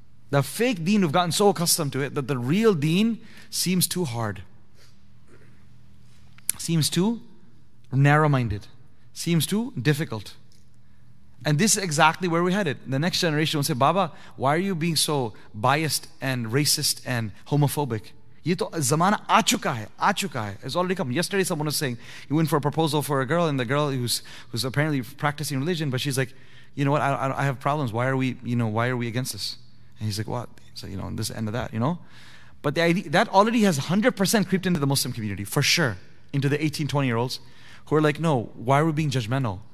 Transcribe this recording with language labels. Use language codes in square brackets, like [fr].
[en] The fake deen, we've gotten so accustomed to it that the real deen seems too hard. Seems too narrow-minded. Seems too difficult. And this is exactly where we're headed. The next generation will say, Baba, why are you being so biased and racist and homophobic? [ur] یہ تو زمانہ آ چکا ہے۔ [en] It's already come. Yesterday someone was saying, he went for a proposal for a girl, and the girl who's apparently practicing religion, but she's like, you know what, I have problems. Why are we against this? And he's like, what? So, you know, this is the end of that, you know? But the idea, that already has 100% creeped into the Muslim community, for sure, into the 18, 20-year-olds, who are like, no, why are we being judgmental?